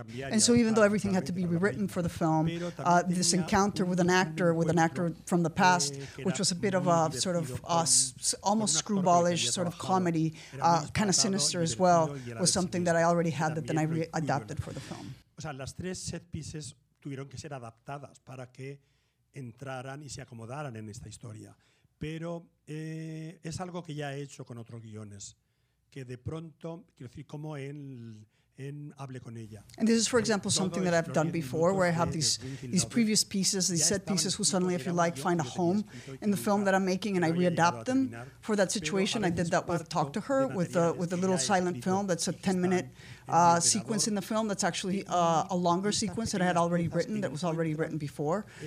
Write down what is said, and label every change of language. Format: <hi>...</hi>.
<en>And so even though everything had to be rewritten for the film, this encounter with an actor from the past, which was a bit of a sort of almost screwballish sort of comedy, kind of sinister as well, was something that I already had that then I readapted for the film.</en> <es>O sea, las tres set pieces tuvieron que ser adaptadas para que entraran y se acomodaran en esta historia. Pero es algo que ya he hecho con otros guiones, que de pronto, quiero decir, como en Hable con ella.</es> <en>And this is, for example, something that I've done before, where I have these previous pieces, these set pieces, who suddenly, if you like, find a home in the film that I'm making, and I readapt them for that situation. I did that with Talk to Her, with a little silent film that's a 10-minute sequence in the film that's actually a longer sequence that I had already written, that was already written before.</en>